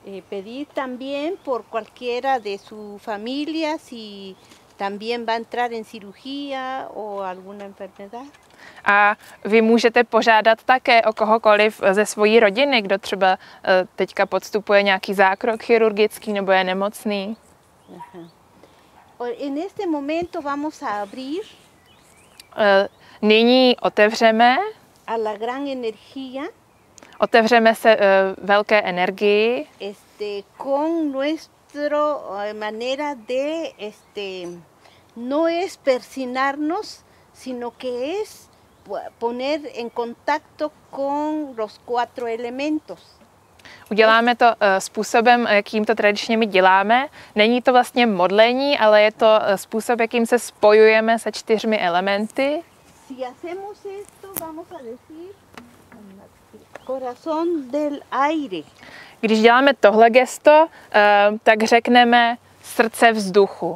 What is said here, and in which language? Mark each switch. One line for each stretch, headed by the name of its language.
Spanish: Pedir también por cualquiera de su familia, si también va a entrar en cirugía o alguna enfermedad.
Czech: A vy můžete požádat také o kohokoliv ze svojí rodiny, kdo třeba teďka podstupuje nějaký zákrok chirurgický nebo je nemocný.
Spanish: En este momento vamos a abrir.
Czech: Nyní otevřeme.
Spanish: A la gran energía.
Czech: Otevřeme se velké energii.
Spanish: Este con nuestro manera de este no es persignarnos, sino que es poner en contacto con los cuatro elementos.
Czech: Uděláme to způsobem, jakým to tradičně my děláme. Není to vlastně modlení, ale je to způsob, jakým se spojujeme se čtyřmi elementy.
Spanish: Si hacemos esto, vamos a decir corazón del aire.
Czech: Když děláme tohle gesto, tak řekneme srdce vzduchu.